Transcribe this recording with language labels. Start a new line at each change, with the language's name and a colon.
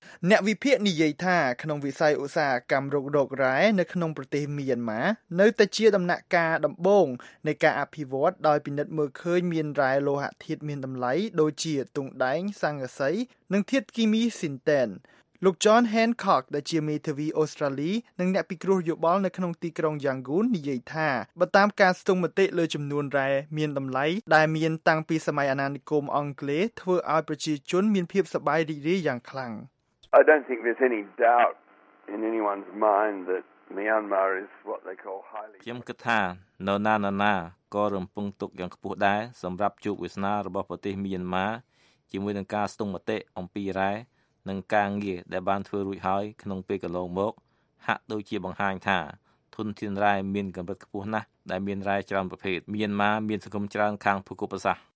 Khmer: អ្នកវិភាគនិយាយថាក្នុងវិស័យឧស្សាហកម្មរុករករ៉ែនៅក្នុងប្រទេសមីយ៉ាន់ម៉ានៅតែជាដំណាក់កាលដំបូងនៃការអភិវឌ្ឍដោយពិនិត្យមើលឃើញមានរ៉ែលោហៈធាតុមានតម្លៃដូចជាទង់ដែងសង្កសីនិងធាតុគីមីស៊ីនតែនលោក John Hancock ដែលជាមេធាវីអូស្ត្រាលីនិងអ្នកពិគ្រោះយោបល់នៅក្នុងទីក្រុង Yangon និយាយថាបើតាមការស្ទង់មតិលើចំនួនរ៉ែមានតម្លៃដែលមានតាំងពីសម័យអាណានិគមអង់គ្លេសធ្វើឲ្យប្រជាជនមានភាពសប្បាយរីករាយយ៉ាងខ្លាំង
English: I don't think there's any doubt in anyone's mind that Myanmar is what they call highly
Khmer: ខ្ញុំគិតថានៅណាណានាក៏រំពឹងទុកយ៉ាងខ្ពស់ដែរសម្រាប់ជោគវាសនារបស់ប្រទេសមីយ៉ាន់ម៉ាជាមួយនឹងការស្ទង់មតិអំពីរ៉ែនិងការងារដែលបានធ្វើរួចហើយក្នុងពេលកន្លងមកហាក់ដូចជាបង្ហាញថាធនធានរ៉ែមានកម្រិតខ្ពស់ណាស់ដែលមានរ៉ែច្រើនប្រភេទមីយ៉ាន់ម៉ាមានសង្គមច្រើនខាងភូមិប្រសា